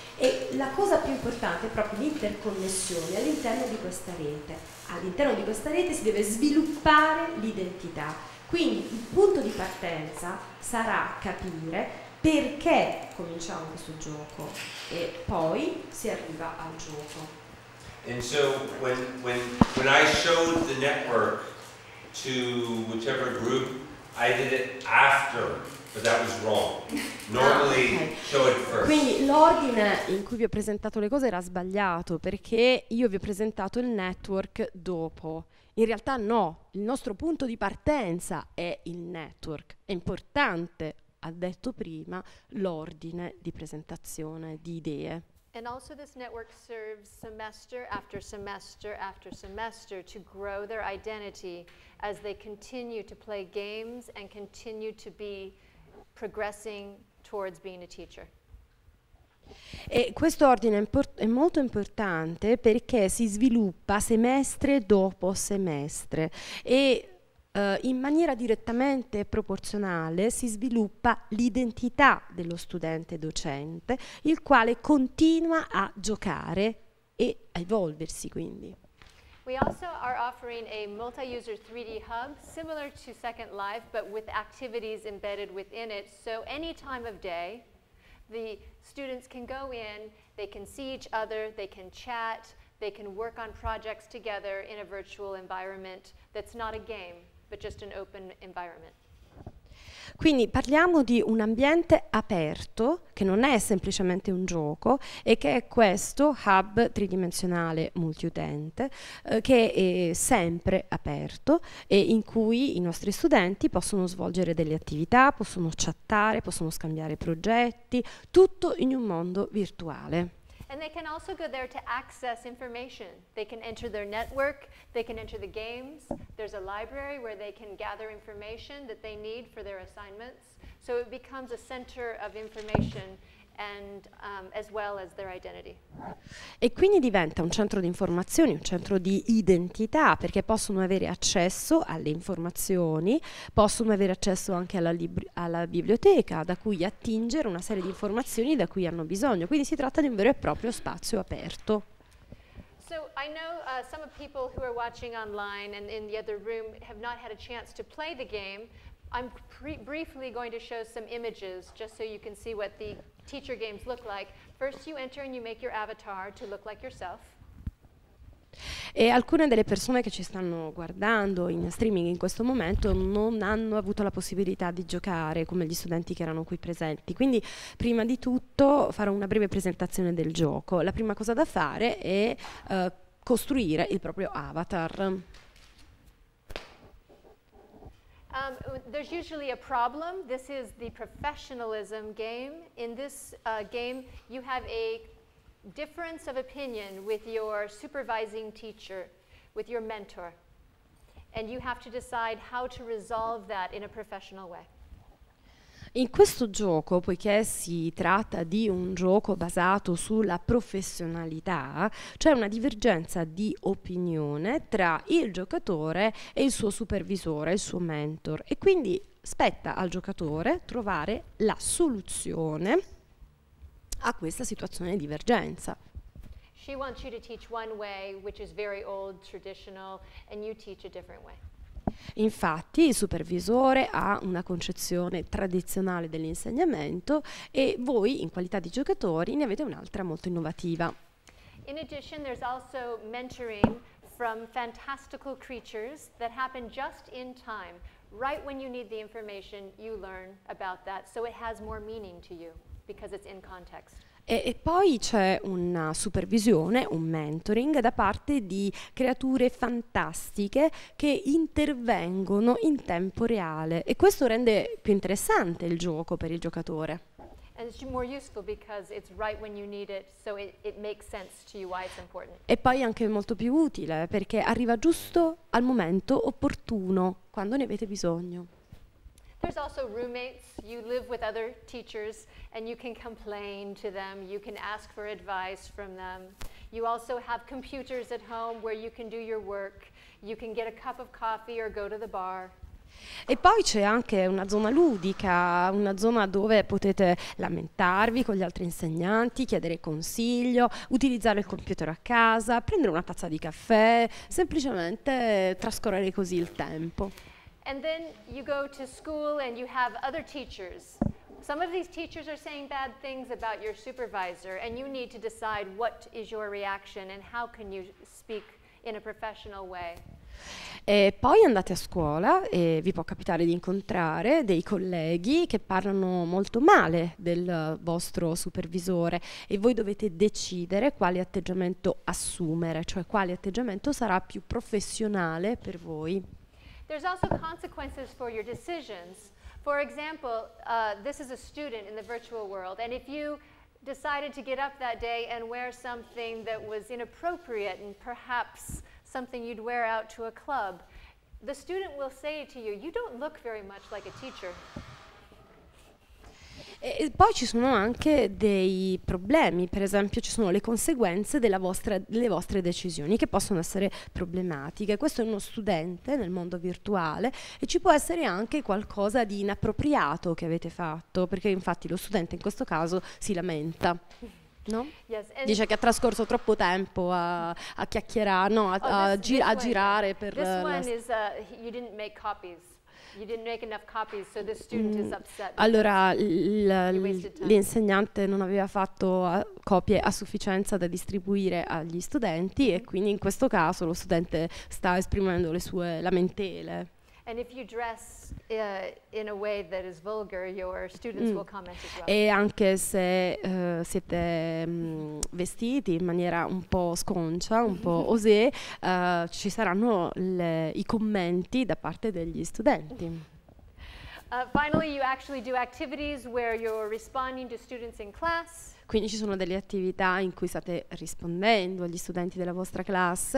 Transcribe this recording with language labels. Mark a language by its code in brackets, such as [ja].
[it] E la cosa più importante è proprio l'interconnessione all'interno di questa rete. All'interno di questa rete si deve sviluppare l'identità. Quindi il punto di partenza sarà capire perché cominciamo questo gioco e poi si arriva al gioco. [en] And so when I showed the network to whichever group, I did it after, but that was wrong. Normally show it first. [it] Quindi l'ordine in cui vi ho presentato le cose era sbagliato, perché io vi ho presentato il network dopo. In realtà no, il nostro punto di partenza è il network. È importante, ha detto prima, l'ordine di presentazione di idee. [en] And also this network serves semester after semester after semester to grow their identity as they continue to play games and continue to be progressing towards being a teacher. [it] E questo ordine è molto importante perché si sviluppa semestre dopo semestre e in maniera direttamente proporzionale si sviluppa l'identità dello studente docente, il quale continua a giocare e a evolversi quindi. [en] We also are offering a multi-user 3D hub similar to Second Life but with activities embedded within it, so any time of day the students can go in, they can see each other, they can chat, they can work on projects together in a virtual environment that's not a game, but just an open environment. [it] Quindi parliamo di un ambiente aperto, che non è semplicemente un gioco, e che è questo hub tridimensionale multiutente, che è sempre aperto e in cui i nostri studenti possono svolgere delle attività, possono chattare, possono scambiare progetti, tutto in un mondo virtuale. [en] And they can also go there to access information. They can enter their network, they can enter the games. There's a library where they can gather information that they need for their assignments. So it becomes a center of information and as well as their identity. [it] E quindi diventa un centro di informazioni, un centro di identità, perché possono avere accesso alle informazioni, possono avere accesso anche alla biblioteca da cui attingere una serie di informazioni da cui hanno bisogno. Quindi si tratta di un vero e proprio spazio aperto. [en] So I know some of people who are watching online and in the other room have not had a chance to play the game. I'm briefly going to show some images just so you can see what the teacher games look like. First you enter and you make your avatar to look like yourself. [it] E alcune delle persone che ci stanno guardando in streaming in questo momento non hanno avuto la possibilità di giocare come gli studenti che erano qui presenti. Quindi prima di tutto farò una breve presentazione del gioco. La prima cosa da fare è costruire il proprio avatar. [en] There's usually a problem. This is the professionalism game. In this game, you have a difference of opinion with your supervising teacher, with your mentor. And you have to decide how to resolve that in a professional way. [it] In questo gioco, poiché si tratta di un gioco basato sulla professionalità, c'è una divergenza di opinione tra il giocatore e il suo supervisore, il suo mentor. E quindi spetta al giocatore trovare la soluzione a questa situazione di divergenza. [en] She wants you to teach one way, which is very old, traditional, and you teach a different way. [it] Infatti il supervisore ha una concezione tradizionale dell'insegnamento e voi in qualità di giocatori ne avete un'altra molto innovativa. [en] In addition there's also mentoring from fantastical creatures that happen just in time. Right when you need the information you learn about that, so it has more meaning to you because it's in context. [it] E poi c'è una supervisione, un mentoring da parte di creature fantastiche che intervengono in tempo reale e questo rende più interessante il gioco per il giocatore. [en] And it's more useful because it's right when you need it, so it makes sense to you why it's important. [it] E poi anche molto più utile perché arriva giusto al momento opportuno quando ne avete bisogno. [en] There's also roommates. You live with other teachers and you can complain to them. You can ask for advice from them. You also have computers at home where you can do your work. You can get a cup of coffee or go to the bar. [it] E poi c'è anche una zona ludica, una zona dove potete lamentarvi con gli altri insegnanti, chiedere consiglio, utilizzare il computer a casa, prendere una tazza di caffè, semplicemente trascorrere così il tempo. [en] And then you go to school and you have other teachers. Some of these teachers are saying bad things about your supervisor and you need to decide what is your reaction and how can you speak in a professional way. [it] E poi andate a scuola e vi può capitare di incontrare dei colleghi che parlano molto male del vostro supervisore e voi dovete decidere quale atteggiamento assumere, cioè quale atteggiamento sarà più professionale per voi. [en] There's also consequences for your decisions. For example, this is a student in the virtual world, and if you decided to get up that day and wear something that was inappropriate and perhaps something you'd wear out to a club, the student will say to you, you don't look very much like a teacher. [it] E poi ci sono anche dei problemi, per esempio ci sono le conseguenze delle vostre decisioni che possono essere problematiche. Questo è uno studente nel mondo virtuale e ci può essere anche qualcosa di inappropriato che avete fatto, perché infatti lo studente in questo caso si lamenta. No? [en] Yes, [it] dice che ha trascorso troppo tempo a chiacchierare, no, girare per [en] You didn't make copies. You didn't make enough copies, so the student is upset. [it] Allora, l'insegnante non aveva fatto copie a sufficienza da distribuire agli studenti e quindi in questo caso lo studente sta esprimendo le sue lamentele. [en] And if you dress in a way that is vulgar, your students will comment as well. [it] E anche se siete vestiti in maniera un po' sconcia, un po' osé, ci saranno i commenti da parte degli studenti. [en] Finally, you actually do activities where you're responding to students in class. [it] Quindi ci sono delle attività in cui state rispondendo agli studenti della vostra classe.